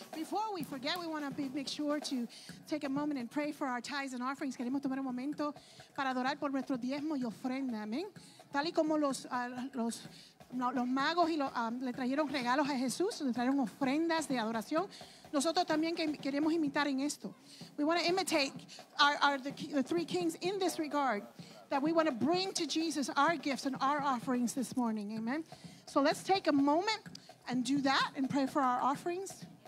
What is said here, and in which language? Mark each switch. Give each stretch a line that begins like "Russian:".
English: Before we forget, we want to make sure to take a moment and pray for our tithes and offerings.
Spanish: Queremos tomar un momento para adorar por nuestro diezmo y ofrenda. Amén. Tal y como los magos y le trajeron regalos a Jesús, le trajeron ofrendas de adoración. Nosotros también queremos imitar en esto.
English: We want to imitate the three kings in this regard, that we want to bring to Jesus our gifts and our offerings this morning. Amen. So let's take a moment and do that and pray for our offerings.